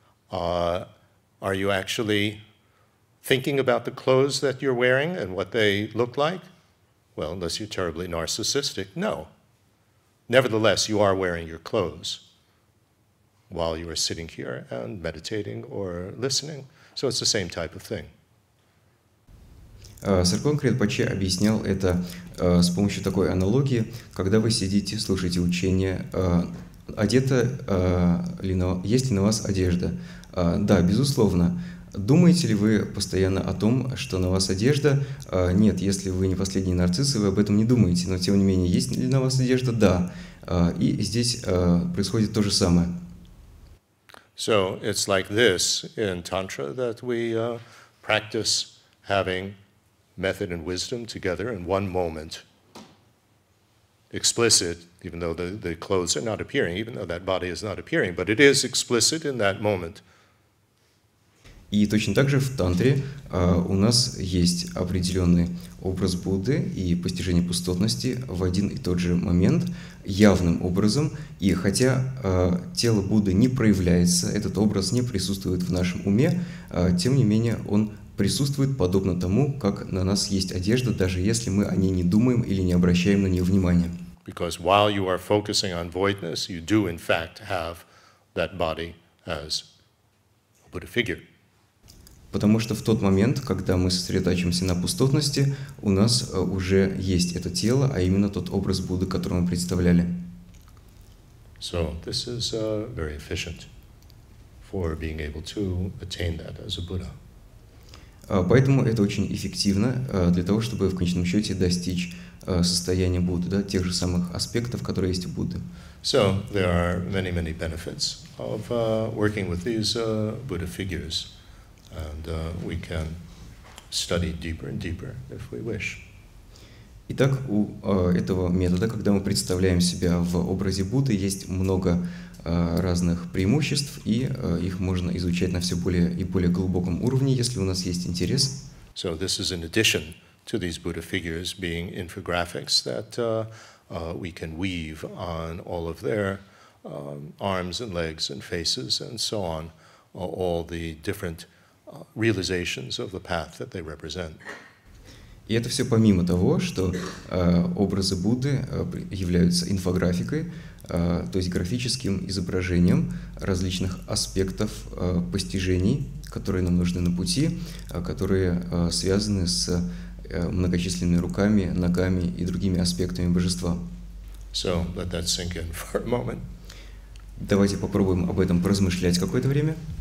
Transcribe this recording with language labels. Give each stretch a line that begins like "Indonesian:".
English: Are you actually thinking about the clothes that you're wearing and what they look like? Well, unless you're terribly narcissistic, no. Nevertheless, you are wearing your clothes while you are sitting here and meditating or listening. So it's the same type of thing.
Russian: Сарконг Кринпоче объяснял это с помощью такой аналогии. Когда вы сидите, слушаете учение, одета ли на, есть ли на вас одежда? Да, безусловно. Думаете ли вы постоянно о том, что на вас одежда? Нет, если вы не последний нарцисс, вы об этом не думаете. Но тем не менее, есть ли на вас одежда? Да. И здесь происходит то же самое.
English: So it's like this in Tantra that we practice having method and wisdom together in one moment. Explicit, even though the clothes are not appearing, even though that body is not appearing, but it is explicit in that moment.
Russian: И точно так же в тантре у нас есть определенный образ Будды и постижение пустотности в один и тот же момент, явным образом, и хотя тело Будды не проявляется, этот образ не присутствует в нашем уме, тем не менее он присутствует подобно тому, как на нас есть одежда, даже если мы о ней не думаем или не обращаем на нее внимания.
English: Because while you are focusing on voidness, you do in fact have that body as a Buddha figure.
Russian: Потому что в тот момент, когда мы сосредотачиваемся на пустотности, у нас уже есть это тело, а именно тот образ Будды, который мы представляли.
English: So this is very efficient for being able to attain that as a Buddha.
Russian: Поэтому это очень эффективно для того, чтобы в конечном счете достичь состояния Будды, да, тех же самых аспектов, которые есть у Будды.
English: So there are many, many benefits of working with these Buddha figures, and we can study deeper and deeper if we wish.
Russian: Итак, у этого метода, когда мы представляем себя в образе Будды, есть много разных преимуществ, и их можно изучать на все более и более глубоком уровне, если у нас есть интерес.
English: So this is in addition to these Buddha figures being infographics that we can weave on all of their arms and legs and faces and so on, all the different realizations of the path that they represent.
Russian: И это все помимо того, что образы Будды являются инфографикой, то есть графическим изображением различных аспектов постижений, которые нам нужны на пути, которые связаны с многочисленными руками, ногами и другими аспектами божества.
English: So, let that sink in for a moment.
Russian: Давайте попробуем об этом поразмышлять какое-то время.